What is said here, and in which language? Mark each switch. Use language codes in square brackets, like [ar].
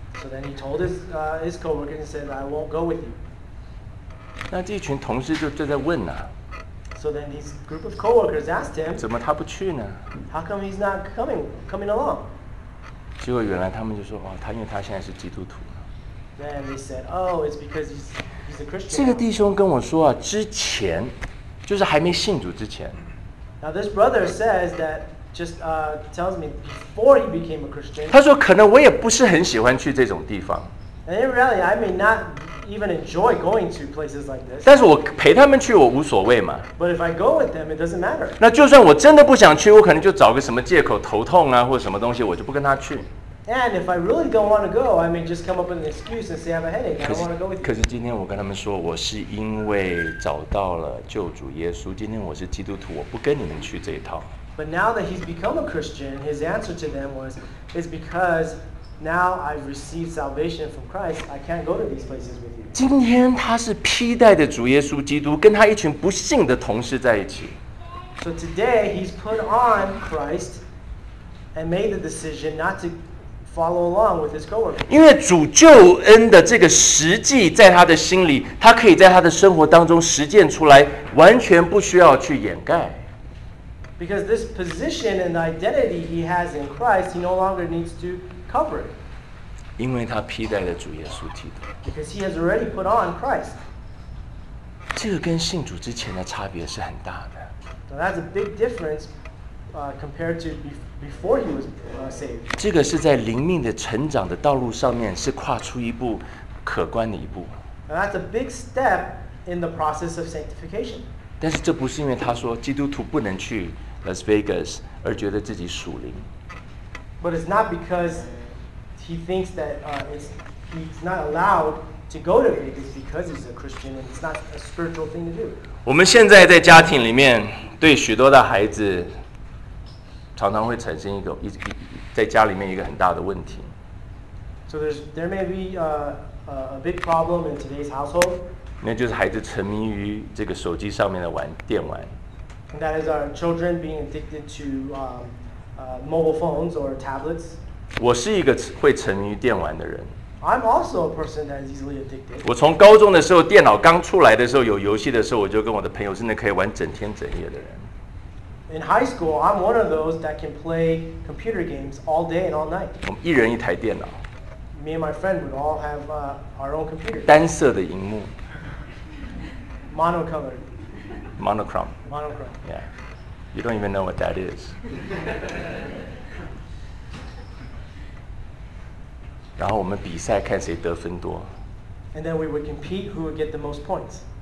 [en] So then he told his coworker and said, "I won't go with you." [zh] 那这群同事就在问呐。 [en] So then these group of coworkers asked him, [zh] 怎么他不去呢？ [en] How come he's not coming along? [zh] 结果原来他们就说，哦，他因为他现在是基督徒。 [en] Then they said, "Oh, it's because he's a Christian." [zh] 这个弟兄跟我说啊，之前就是还没信主之前。 [en] Now this brother says that. Tells me before he became a Christian. [zh] 他说可能我也不是很喜欢去这种地方。 [en] And in reality, I may not even enjoy going to places like this. [zh] 但是我陪他们去，我无所谓嘛。 [en] But if I go with them, it doesn't matter. [zh] 那就算我真的不想去，我可能就找个什么借口，头痛啊，或什么东西，我就不跟他去。 [en] And if I really don't want to go, I may just come up with an excuse and say I have a headache. I don't want to go with you. [zh] 可是今天我跟他们说，我是因为找到了救主耶稣，今天我是基督徒，我不跟你们去这一套。 [en] But now that he's become a Christian, his answer to them was, "It's because now I've received salvation from Christ. I can't go to these places with you." [zh] 今天他是披戴的主耶稣基督，跟他一群不信的同事在一起。 [en] So today he's put on Christ and made the decision not to follow along with his coworkers. [zh] 因为主救恩的这个实际在他的心里，他可以在他的生活当中实践出来，完全不需要去掩盖。 [en] Because this position and identity he has in Christ, he no longer needs to cover it. [zh] 因为他披戴了主耶稣基督。 [en] Because he has already put on Christ. [zh] 这个跟信主之前的差别是很大的。 [en] So that's a big difference, compared to before he was saved. [zh] 这个是在灵命的成长的道路上面是跨出一步可观的一步。 [en] Now that's a big step in the process of sanctification. [zh] 但是这不是因为他说基督徒不能去 Las Vegas 而觉得自己属灵。 [en] But it's not because he thinks that he's not allowed to go to Vegas because he's a Christian and it's not a spiritual thing to do. [zh] 我们现在在家庭里面对许多的孩子常常会产生一个在家里面一个很大的问题。 [en] So there may be a big problem in today's household. [zh] 那就是孩子沉迷于这个手机上面的玩电玩。 [en] And that is our children being addicted to mobile phones or tablets. [zh] 我是一个会沉迷于电玩的人。 [en] I'm also a person that is easily addicted. [zh] 我从高中的时候，电脑刚出来的时候，有游戏的时候，我就跟我的朋友真的可以玩整天整夜的人。 [en] In high school, I'm one of those that can play computer games all day and all night. [zh] 我们一人一台电脑。 [en] Me and my friend would all have our own computer. 单色的荧幕。 Monocolored. Monochrome. Monochrome. Yeah. You don't even know what that is. [zh] 然后我们比赛看谁得分多。 [en] And then we would compete who would get the most points.